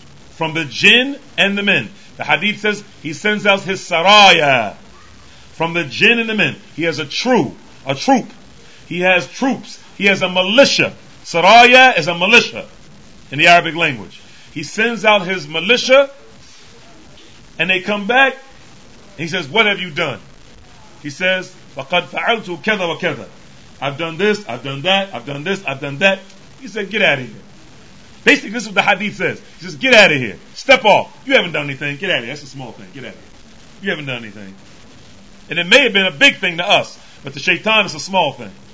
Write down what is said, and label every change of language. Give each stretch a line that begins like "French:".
English: From the jinn and the men. The hadith says he sends out his saraya from the jinn and the men. He has a troop. He has troops. He has a militia. Saraya is a militia in the Arabic language. He sends out his militia and they come back. He says, what have you done? He says,
Arabic: فَقَدْ فَعَلْتُ كَذَا وَكَذَا.
English: I've done this, I've done that, I've done this, I've done that. He said, get out of here. Basically, this is what the hadith says. He says, get out of here. Step off. You haven't done anything. Get out of here. That's a small thing. Get out of here. You haven't done anything. And it may have been a big thing to us, but to Shaitan, it's a small thing.